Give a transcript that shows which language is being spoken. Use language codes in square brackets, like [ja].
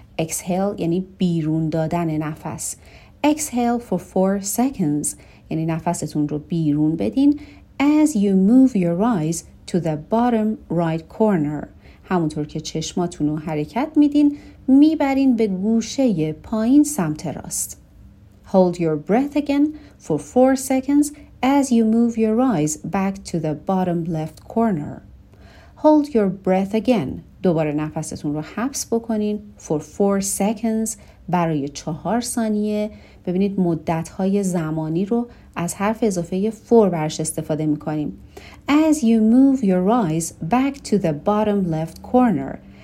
[en] Exhale [fa] یعنی بیرون دادن نفس. [en] Exhale for 4 seconds. [fa] یعنی نفستون رو بیرون بدین. [en] As you move your eyes to the bottom right corner. [fa] همونطور که چشماتون رو حرکت میدین, میبرین به گوشه پایین سمت راست. [en] Hold your breath again for 4 seconds as you move your eyes back to the bottom left corner. Hold your breath again. [fa] دوباره نفستون رو حبس بکنین [en] for 4 seconds [fa] برای 4 ثانیه. ببینید مدت‌های زمانی رو از حرف اضافه 4 برش استفاده می‌کنیم. [en] As you move your eyes back to the bottom left corner.